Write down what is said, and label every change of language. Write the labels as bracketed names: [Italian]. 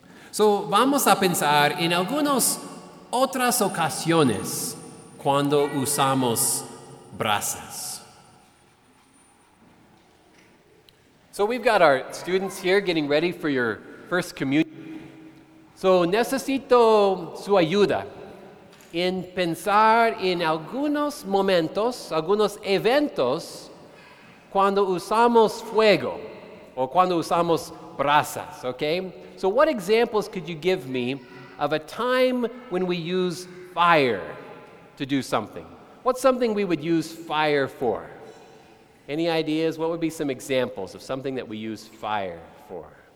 [Spanish] So vamos a pensar en algunas otras ocasiones cuando usamos brasas. [English] So we've got our students here getting ready for your first communion. [Spanish] So necesito su ayuda en pensar en algunos momentos, algunos eventos cuando usamos fuego o cuando usamos brasas, okay? [English] So what examples could you give me of a time when we use fire to do something? What's something we would use fire for? Any ideas? What would be some examples of something that we use fire for?